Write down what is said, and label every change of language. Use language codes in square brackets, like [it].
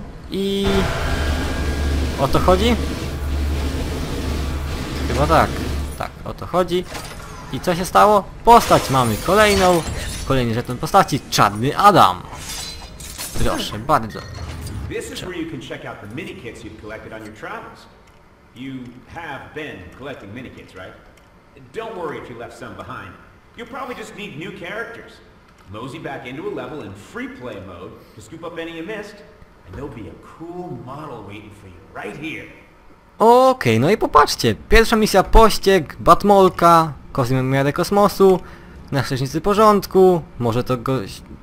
[pl] I... o to chodzi? Chyba tak. Tak, o to chodzi. I co się stało? Postać mamy kolejną. Kolejny żeton postaci, czarny Adam. Proszę bardzo. [en] This is where you can check out the mini-kits you've collected on your travels. You have been collecting mini-kits, right? Don't worry if you left some behind. You'll probably just need new characters. Mosey back into a level in free-play mode to scoop up any you missed, and there'll be a cool model waiting for you right here. [pl] Okej, no i popatrzcie. Pierwsza misja pościg, Batmolka, Kosmiarę Kosmosu, na Strzeżnicy Porządku, może to goś...